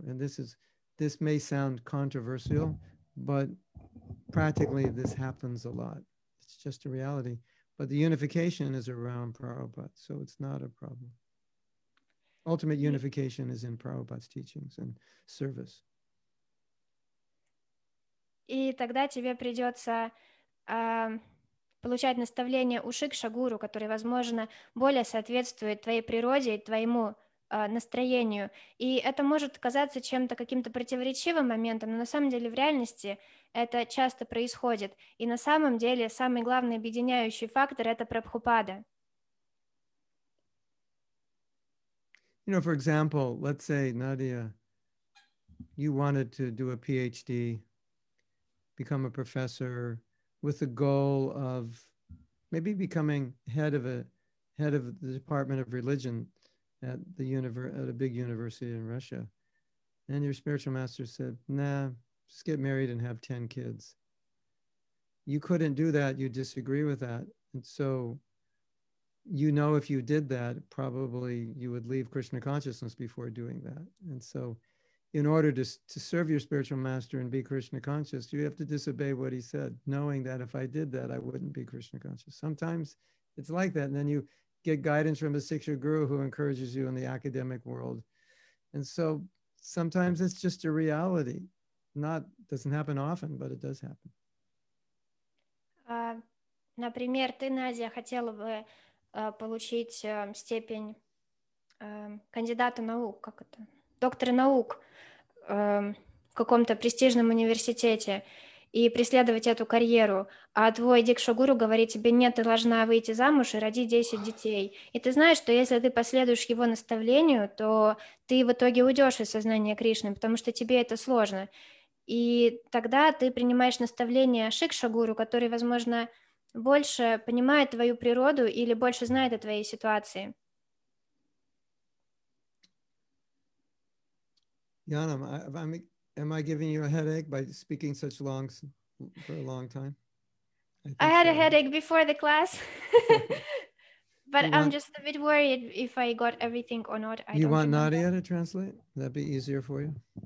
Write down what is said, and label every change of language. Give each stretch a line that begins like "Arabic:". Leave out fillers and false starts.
English: And this may sound controversial, but practically this happens a lot. It's just a reality. But the unification is around Prabhupada, so it's not a problem. Ultimate unification is in Prabhupada's teachings and service.
Russian: И тогда тебе придется получать наставление у Шикша Гуру, который, возможно, более соответствует твоей природе и твоему настроению. И это может казаться чем-то каким-то противоречивым моментом, но на самом деле в реальности это часто происходит. И на самом деле самый главный объединяющий фактор — это Прабхупада.
English: You know, for example, let's say, Nadia, you wanted to do a PhD, become a professor, with the goal of maybe becoming head of the Department of Religion at a big university in Russia. And your spiritual master said, nah, just get married and have 10 kids. You couldn't do that, you disagree with that. And so you know if you did that, probably you would leave Krishna consciousness before doing that. And so in order to serve your spiritual master and be Krishna conscious, you have to disobey what he said, knowing that if I did that, I wouldn't be Krishna conscious. Sometimes it's like that. And then you get guidance from a Siksha Guru who encourages you in the academic world. And so sometimes it's just a reality. not doesn't happen often, but it does happen.
Russian: Например, ты, Надя, хотела бы получить степень кандидата наук, как это, доктора наук в каком-то престижном университете и преследовать эту карьеру, а твой дикшогуру говорит тебе, нет, ты должна выйти замуж и родить 10 детей. И ты знаешь, что если ты последуешь его наставлению, то ты в итоге уйдешь из сознания Кришны, потому что тебе это сложно. И тогда ты принимаешь наставление шикшогуру, который, возможно, больше понимает твою природу или больше знает о твоей ситуации.
English: Yanam, am I giving you a headache by speaking such long for a long time? I had a headache before the class, but I'm just a bit worried if I got everything or not. Nadia to translate? That'd be easier for you.